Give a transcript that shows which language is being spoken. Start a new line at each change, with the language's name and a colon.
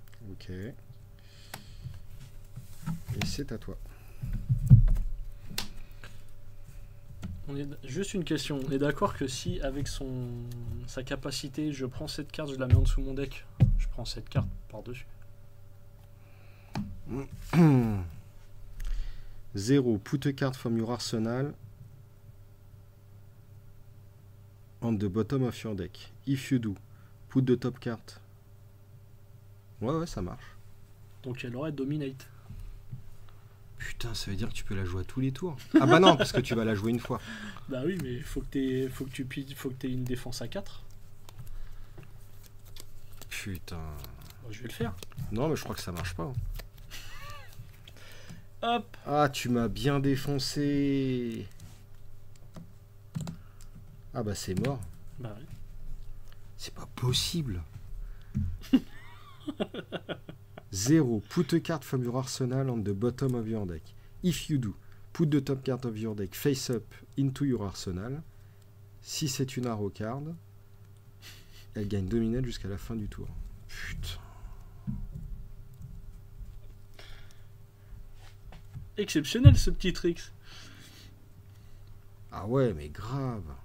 French: Ok. Et c'est à toi. On est juste une question, on est d'accord que si avec sa capacité je prends cette carte, je la mets en dessous de mon deck, je prends cette carte par-dessus.
English: 0, put a card from your arsenal on the bottom of your deck. If you do, put the top card.
French: Ouais, ça marche. Donc elle aurait dominate. Putain, ça veut dire que tu peux la jouer à tous les tours. Ah bah non, parce que tu vas la jouer une fois. Bah oui, mais faut que t'aies une défense à 4. Putain. Bon, je vais le faire. Non, mais je crois que ça marche pas. Hop. Ah, tu m'as bien défoncé. Ah bah c'est mort. Bah C'est pas possible. oui.
English: 0, put a card from your arsenal on the bottom of your deck. If you do, put the top card of your deck face up into your arsenal.
French: Si c'est une arrow card, elle gagne dominate jusqu'à la fin du tour. Putain. Exceptionnel ce petit trick. Ah ouais, mais grave.